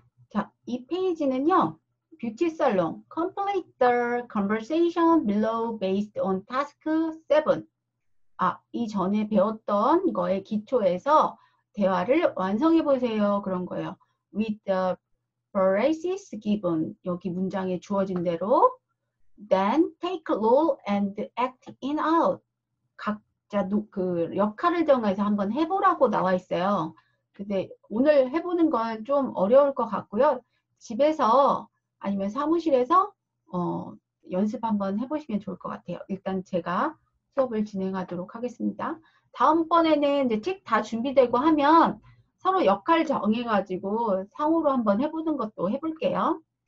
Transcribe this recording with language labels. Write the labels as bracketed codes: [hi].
[en] 자, 이 페이지는요. Beauty Salon. Complete the conversation below based on task 7. [ko] 아, 이전에 배웠던 거에 기초해서 대화를 완성해 보세요. 그런 거예요. [en] With the phrases given. [ko] 여기 문장에 주어진 대로. [en] Then take a role and act in out. [ko] 각자 그 역할을 정해서 한번 해보라고 나와 있어요. 근데 오늘 해보는 건 좀 어려울 것 같고요. 집에서 아니면 사무실에서 연습 한번 해보시면 좋을 것 같아요. 일단 제가 수업을 진행하도록 하겠습니다. 다음번에는 이제 책 다 준비되고 하면 서로 역할 정해가지고 상호로 한번 해보는 것도 해볼게요.